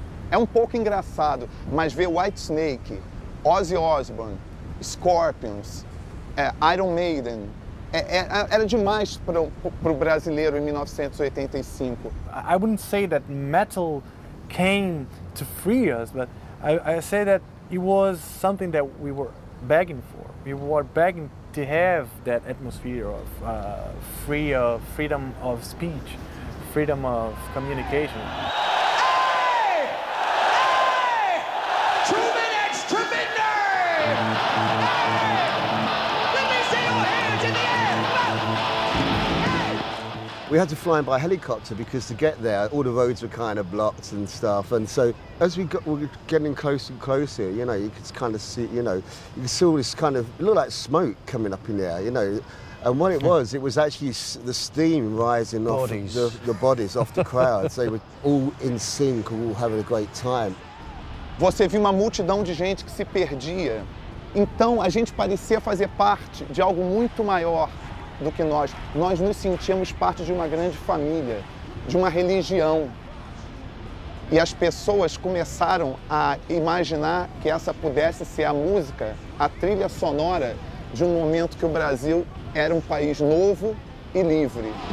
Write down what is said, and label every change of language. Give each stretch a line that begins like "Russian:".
Portuguese: É um pouco engraçado, mas ver Whitesnake, Ozzy Osbourne, Scorpions, Iron Maiden, era demais pro brasileiro em 1985.
English: I wouldn't say that metal came to free us, but I say that it was something that we were begging for. We were begging to have that atmosphere of freedom of speech, freedom of communication. Hey! Hey! Truman X Truman Nerd! Hey! Let me see your hands in the air! Hey! We had to fly by helicopter because to get there, all the roads were kind of blocked and stuff. And so as we got, we're getting closer and closer, you know, you could kind of see, you know, you could see all this kind of, it looked like smoke coming up in there, you know. And what it was actually the steam rising bodies. Off the bodies, off the crowds. They were all in sync, all having a great time.
Portuguese: Você viu uma multidão de gente que se perdia. Então a gente parecia fazer parte de algo muito maior do que nós. Nós nos sentíamos parte de uma grande família, de uma religião. E as pessoas começaram a imaginar que essa pudesse ser a música, a trilha sonora de um momento que o Brasil era um país novo e livre.